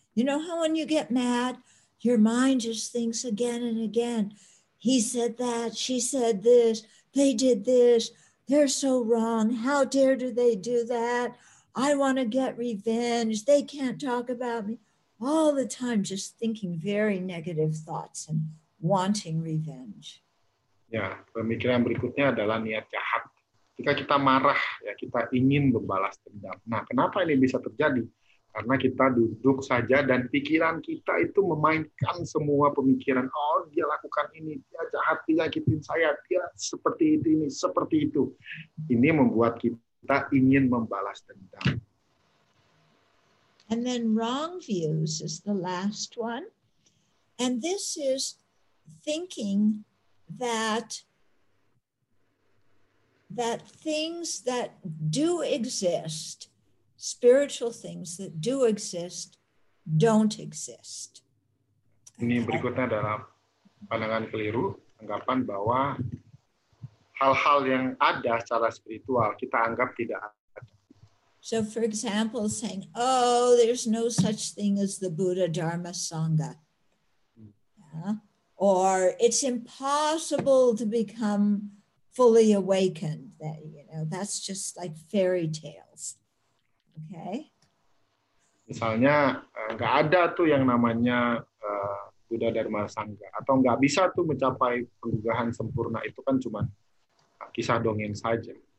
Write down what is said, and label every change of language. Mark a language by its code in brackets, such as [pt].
[en] You know how when you get mad, your mind just thinks again and again, he said that, she said this, they did this, they're so wrong, how dare do they do that? I want to get revenge, they can't talk about me. All the time just thinking very negative thoughts and wanting revenge. [id] Ya, pemikiran berikutnya adalah niat jahat. Jika kita marah, ya kita ingin membalas dendam. Nah, kenapa ini bisa terjadi? Karena kita duduk saja dan pikiran kita itu memainkan semua pemikiran. Oh, dia lakukan ini, dia jahat, dia nyakitin saya, dia seperti itu, ini, seperti itu. Ini membuat kita ingin membalas dendam. [en] And then wrong views is the last one. And this is thinking that things that do exist, spiritual things that do exist, don't exist. [id] Ini berikutnya adalah pandangan keliru, anggapan bahwa hal-hal yang ada secara spiritual kita anggap tidak ada. [en] So for example, saying, oh, there's no such thing as the Buddha, Dharma, Sangha. Yeah? Or it's impossible to become fully awakened. That, you know, that's just like fairy tales. Okay. [id] Misalnya enggak ada tuh yang namanya Buddha Dharma Sangha atau enggak bisa tuh mencapai penggugahan sempurna, itu kan cuma kisah dongeng saja.